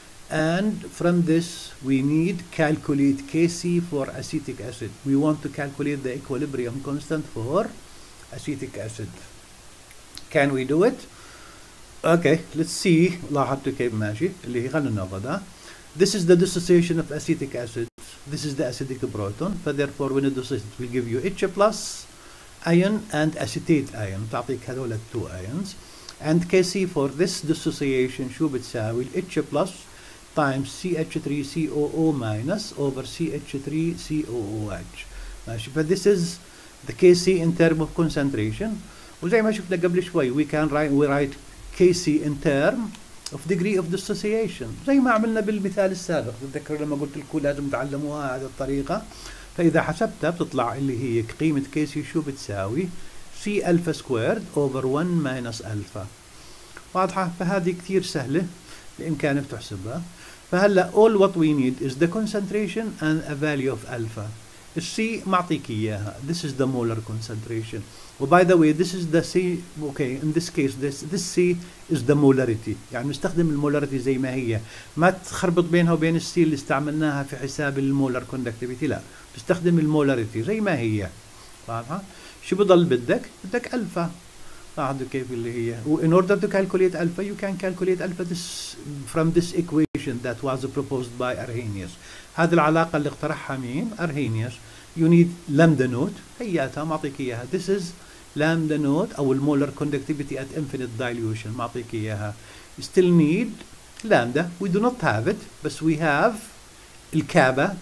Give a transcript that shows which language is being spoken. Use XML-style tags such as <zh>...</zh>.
<en>And from this, we need calculate Kc for acetic acid. We want to calculate the equilibrium constant for acetic acid. Can we do it? Okay, let's see.</en> <ar>لاحظتوا كيف ماشي اللي هي خلينا ناخذها.</ar> <en>This is the dissociation of acetic acid. This is the acidic proton. So therefore, when it dissociates, it will give you H plus ion and acetate ion.</en> <ar>تعطيك هذول</ar> <en>two ions. And Kc for this dissociation,</en> <ar>شو بتساوي؟</ar> <en>H plus times CH3COO minus over CH3COOH.</en> <ar>ماشي.</ar> <en>But this is the Kc in term of concentration.</en> <ar>وزي ما شفنا قبل شوي</ar> <en>we can write Kc in term of degree of dissociation.</en> <ar>زي ما عملنا بالمثال السابق. تذكر لما قلت لكم لازم تعلموها هذه الطريقة. فإذا حسبتها بتطلع اللي هي قيمة Kc شو بتساوي؟</ar> <en>C alpha squared over 1 minus alpha.</en> <ar>واضحة؟ فهذه كثير سهلة بإمكانك تحسبها.</ar> <en>فهلا all what we need is the concentration and a value of alpha. C</en> <ar>معطيك إياها.</ar> <en>This is the molar concentration. Well, by the way, this is the C. Okay, in this case, this C is the molarity.</en> <ar>يعني نستخدم المولاريتي زي ما هي. ما تخربط بينها وبين C اللي استعملناها في حساب المولار كوندكتيفيتي. لا. تستخدم المولاريتي زي ما هي. واضحة؟ شو بضل بدك؟ بدك ألفا. لاحظوا كيف اللي هي.</ar> <en>In order to calculate alpha, you can calculate alpha this from this equation that was proposed by Arrhenius.</en> <ar>هذه العلاقة اللي اقترحها مين؟ Arrhenius.</ar> <en>You need lambda note.</en> <ar>هياتها معطيك إياها.</ar> <en>This is lambda note أو molar conductivity at infinite dilution.</en> <ar>معطيك إياها.</ar> <en>We still need lambda. We do not have it. But we have الكابة.</en>